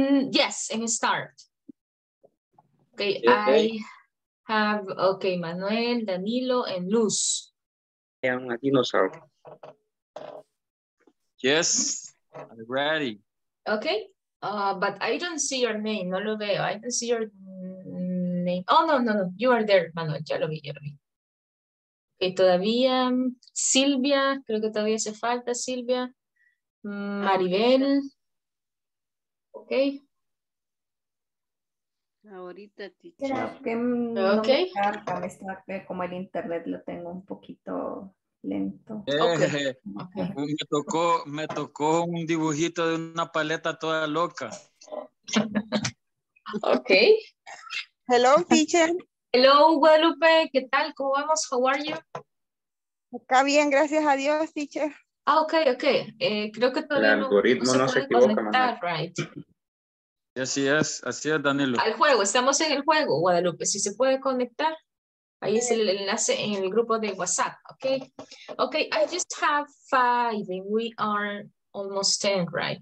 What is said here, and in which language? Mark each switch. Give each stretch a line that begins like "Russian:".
English: Yes, and start. Okay, okay, I have, okay, Manuel, Danilo, and Luz. I am a dinosaur. Yes, I'm ready. Okay, but I don't see your name,
Spanish: no lo veo,
English: I don't see your name. Oh, no, no, no, you are there, Manuel,
Spanish: ya lo vi, ya lo vi. Y todavía Silvia, creo que todavía hace falta Silvia, Maribel, ok. Ahorita, teacher. Que no okay. Me carga, me está, como el internet lo tengo un poquito lento.
English: Okay. Okay.
Spanish: Me tocó un dibujito de una paleta toda loca.
English: Ok. Hello, teacher. Hello, Guadalupe,
Spanish: ¿qué tal? ¿Cómo vamos?
English: How are you?
Spanish: Acá bien, gracias a Dios, teacher. Ah, ok, ok. Creo que todavía el algoritmo no se puede conectar,
English: right.
Spanish: Así es, Danilo. Al juego, estamos en el juego, Guadalupe. Si se puede conectar, ahí es el enlace en el grupo de WhatsApp, ok.
English: Ok, I just have 5 and we are almost 10, right?